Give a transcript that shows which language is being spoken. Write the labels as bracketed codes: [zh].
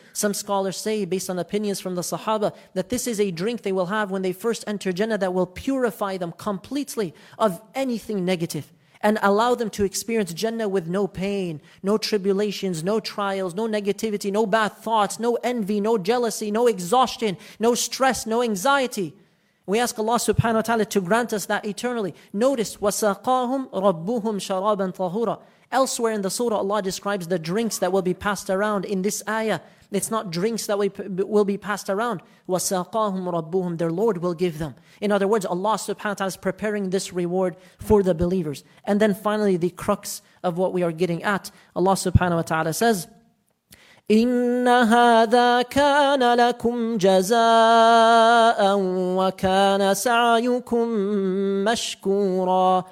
[en] Some scholars say, based on opinions from the Sahaba, that this is a drink they will have when they first enter Jannah that will purify them completely of anything negative and allow them to experience Jannah with no pain, no tribulations, no trials, no negativity, no bad thoughts, no envy, no jealousy, no exhaustion, no stress, no anxiety. We ask Allah subhanahu wa ta'ala to grant us that eternally. [ar] Notice, وَسَقَاهُمْ رَبُّهُمْ شَرَابًا طَهُورًا. [en] Elsewhere in the surah, Allah describes the drinks that will be passed around. In this ayah, it's not drinks that will be passed around. [ar] وَسَقَاهُمْ رَبُّهُمْ, [en] their Lord will give them. In other words, Allah subhanahu wa ta'ala is preparing this reward for the believers. And then finally, the crux of what we are getting at, Allah subhanahu wa ta'ala says, [ar] إِنَّ هَذَا كَانَ لَكُمْ جَزَاءً وَكَانَ سَعْيُكُمْ مَشْكُورًا.